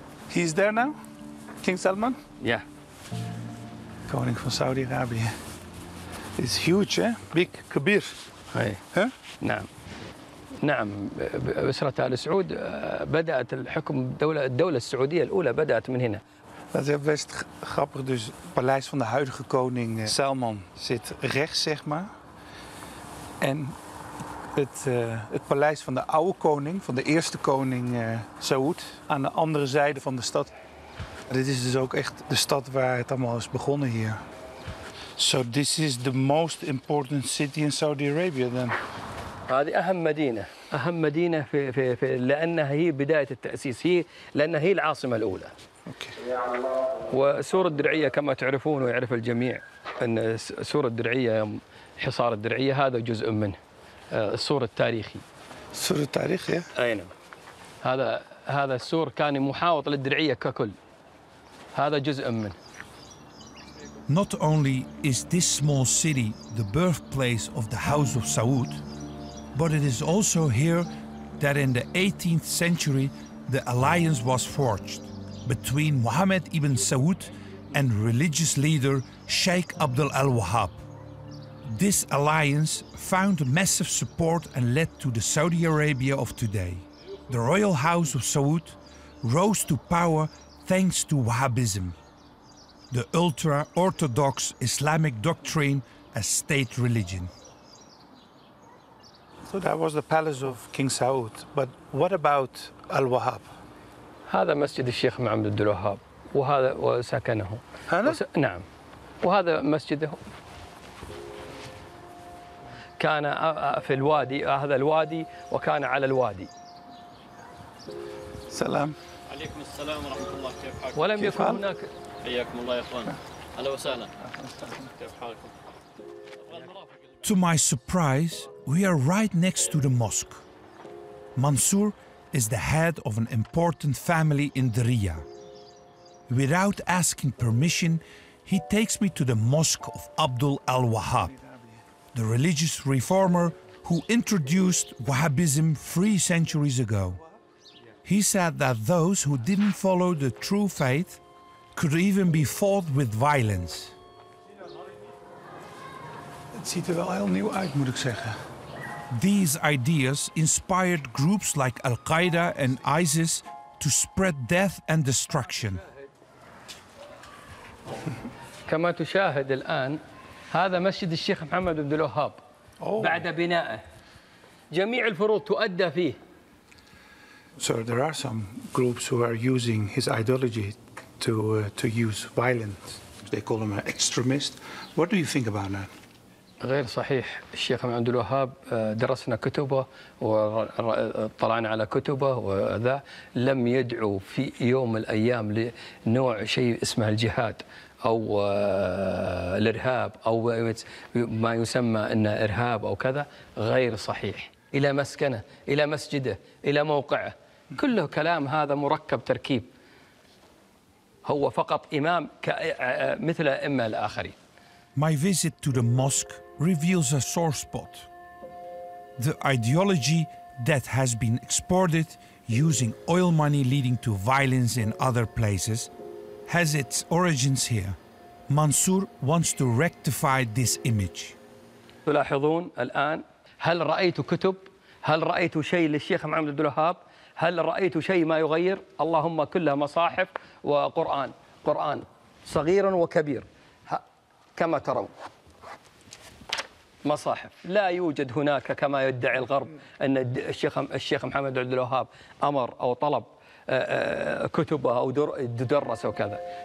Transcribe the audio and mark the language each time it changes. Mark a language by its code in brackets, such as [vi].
[en] He's there now, King Salman? Yeah. Coming from Saudi Arabia. It's huge, eh? Big, [ar] kabir. Hey. Huh? Naam. نعم أسرة آل سعود بدأت الحكم الدولة السعودية الأولى بدأت من هنا. [nl] Dat is best grappig. Dus het paleis van de huidige koning Salman zit rechts, zeg maar. En het paleis van de oude koning, van de eerste koning Saud, aan de andere zijde van de stad. Dit is dus ook echt de stad waar het allemaal is begonnen hier. [en] So this is the most important city in Saudi Arabia then? [ar] هذه أهم مدينة. أهم مدينة في, في, في لأنها هي بداية التأسيس. هي لأنها هي العاصمة الأولى. وسور الدرعية كما تعرفون ويعرف الجميع أن سور الدرعية حصار الدرعية هذا جزء منه السور التاريخي السور التاريخي؟ نعم هذا السور كان محاوط للدرعية ككل هذا جزء منه [en] Not only is this small city the birthplace of the House of Saud but it is also here that in the 18th century the alliance was forged between Muhammad ibn Saud and religious leader Sheikh Abdul al-Wahhab. This alliance found massive support and led to the Saudi Arabia of today. The royal house of Saud rose to power thanks to Wahhabism, the ultra-orthodox Islamic doctrine as state religion. So that was the palace of King Saud, but what about al-Wahhab? [ar] هذا مسجد الشيخ محمد عبد الوهاب وهذا وسكنه نعم وهذا مسجده كان في الوادي هذا الوادي وكان على الوادي سلام عليكم السلام ورحمة الله كيف حالك ولم يكن هناك حياكم الله يا اخوان اهلا وسهلا كيف حالكم [en] To my surprise we are right next to the mosque Mansour is the head of an important family in Diriyya. Without asking permission, he takes me to the mosque of Abdul al-Wahhab, the religious reformer who introduced Wahhabism 3 centuries ago. He said that those who didn't follow the true faith could even be fought with violence. [nl] It ziet er wel heel nieuw uit, moet ik zeggen. [en] These ideas inspired groups like Al-Qaeda and ISIS to spread death and destruction. [ar] كما تشاهد الآن هذا مسجد الشيخ محمد عبد الوهاب بعد بنائه جميع الفروض تؤدى فيه. [en] So there are some groups who are using his ideology to use violence. They call him an extremist. What do you think about that? [ar] غير صحيح الشيخ محمد عبد الوهاب درسنا كتبه وطلعنا على كتبه وذا لم يدعو في يوم من الأيام لنوع شيء اسمه الجهاد أو الإرهاب أو ما يسمى أنه إرهاب أو كذا غير صحيح إلى مسكنه إلى مسجده إلى موقعه كله كلام هذا مركب تركيب هو فقط إمام مثل أمة الآخرين [en] My visit to the mosque reveals a sore spot. The ideology that has been exported using oil money leading to violence in other places has its origins here. Mansour wants to rectify this image. [ar] تلاحظون الآن هل رأيت كتب؟ هل رأيت شيء للشيخ محمد عبد الوهاب؟ هل رأيت شيء ما يغير؟ اللهم كلها مصاحف وقرآن قرآن صغير وكبير كما ترون مصاحف لا يوجد هناك كما يدعي الغرب أن الشيخ محمد عبد الوهاب أمر أو طلب كتبه أو تدرس أو كذا